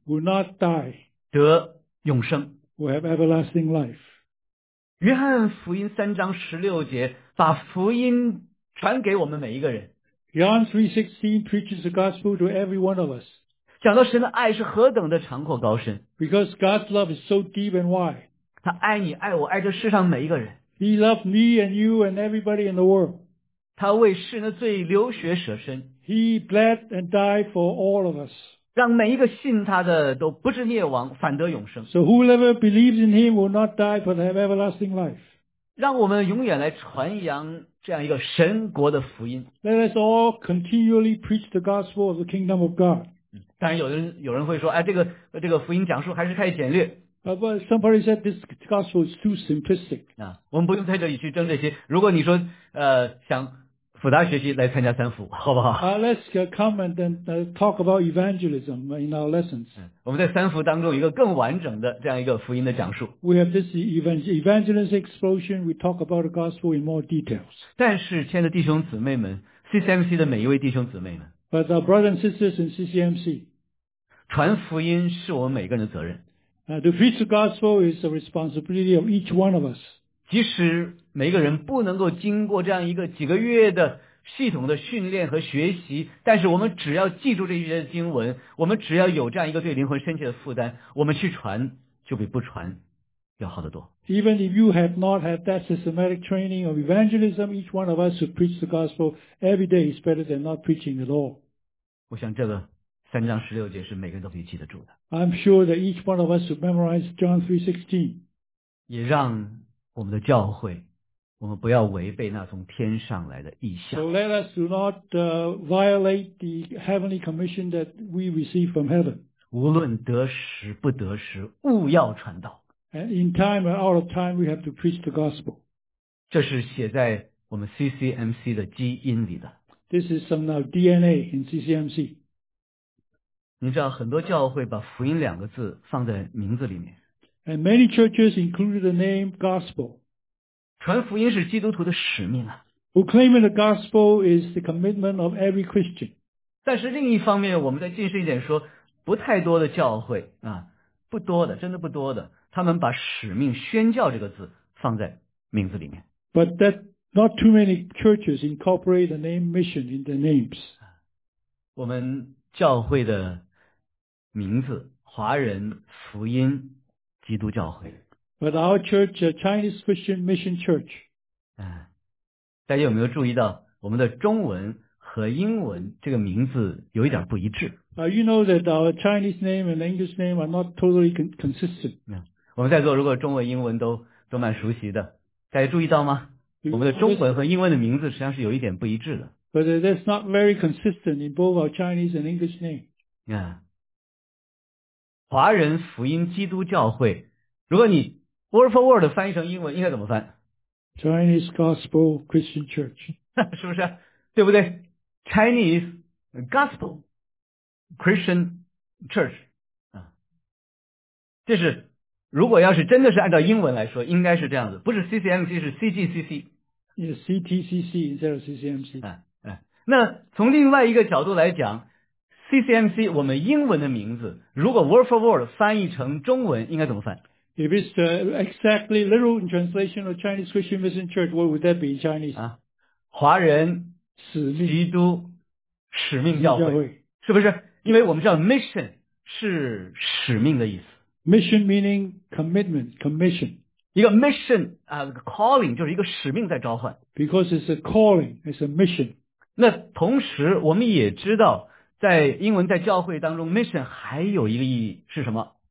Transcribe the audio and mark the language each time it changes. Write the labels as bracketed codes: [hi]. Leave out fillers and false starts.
[en] ，will not die， [zh] 得永生 [en] ，will have everlasting life。 [zh] 约翰福音三章十六节把福音传给我们每一个人。 [en] John 3:16 preaches the gospel to every one of us. [zh] 讲到神的爱是何等的长阔高深。 [en] Because God's love is so deep and wide. [zh] 他爱你，爱我，爱这世上每一个人。 [en] He loved me and you and everybody in the world. [zh] 他为世人的罪流血舍身。 [en] He bled and died for all of us. [zh] 让每一个信他的都不至灭亡，反得永生。 [en] So whoever believes in him will not die but have everlasting life. [zh] 让我们永远来传扬这样一个神国的福音。 [en] Let us all continually preach the gospel of the kingdom of God. [zh] 当然有人会说，哎，这个福音讲述还是太简略。 [en] But somebody said this gospel is too simplistic. [zh] 啊，我们不用在这里去争这些。如果你说想复杂学习，来参加三福，好不好？ [en] Let's come and then talk about evangelism in our lessons. [zh] 我们在三福当中有一个更完整的这样一个福音的讲述。 [en] We have this evangelist explosion. We talk about the gospel in more details. [zh] 但是，亲爱的弟兄姊妹们 ，CCMC 的每一位弟兄姊妹们 [en] ，But our brothers and sisters in CCMC, [zh] 传福音是我们每个人的责任。 [en] To preach the gospel is the responsibility of each one of us. [zh] 即使每个人不能够经过这样一个几个月的系统的训练和学习，但是我们只要记住这些经文，我们只要有这样一个对灵魂深切的负担，我们去传就比不传要好得多。 [en] Even if you have not had that systematic training of evangelism, each one of us who preach the gospel every day is better than not preaching at all. [zh] 我想这个三章十六节是每个人都可以记得住的。 [en] I'm sure that each one of us should memorize John 3:16. [zh] 也让我们的教会，我们不要违背那从天上来的意象。 [en] So let us do not violate the heavenly commission that we receive from heaven. [zh] 无论得时不得时，务要传道。 [en] And in time and out of time, we have to preach the gospel. [zh] 这是写在我们 CCMC 的基因里的。 [en] This is some of DNA in CCMC. [zh] 你知道很多教会把福音两个字放在名字里面。 [en] And many churches included the name gospel. [zh] 传福音是基督徒的使命啊。 [en] Proclaiming the gospel is the commitment of every Christian. [zh] 但是另一方面，我们再近视一点说，不太多的教会啊，不多的，真的不多的，他们把使命宣教这个字放在名字里面。 [en] But that not too many churches incorporate the name mission in their names. [zh] 我们教会的名字，华人福音基督教会。 [en] But our church, a Chinese Christian Mission Church. [zh] 大家有没有注意到我们的中文和英文这个名字有一点不一致。 [en] You know that our Chinese name and English name are not totally consistent. [zh] 我们在座如果中文英文都蛮熟悉的。大家注意到吗？我们的中文和英文的名字实际上是有一点不一致的。 [en] But that's not very consistent in both our Chinese and English name. [zh] 华人福音基督教会，如果你 [en] word for word [zh] 翻译成英文，应该怎么翻？ [en] Chinese Gospel Christian Church， [zh] 是不是？对不对？ [en] Chinese Gospel Christian Church， [zh] 这是如果要是真的是按照英文来说，应该是这样子，不是 CCMC， 是 CGCC。 [en] Yes, CTCC instead of CCMC。 [zh] 那从另外一个角度来讲。CCMC 我们英文的名字如果 [en] word for word [zh] 翻译成中文应该怎么翻 [en] If it's exactly literal in translation of Chinese Christian Mission Church what would that be in Chinese [zh] 啊，华人使命基督使命教会是不是因为我们知道 mission 是使命的意思 [en] mission meaning commitment commission [zh] 一个 [en] mission calling [zh] 就是一个使命在召唤 [en] because it's a calling it's a mission [zh] 那同时我们也知道在英文在教会当中 mission 还有一个意义是什么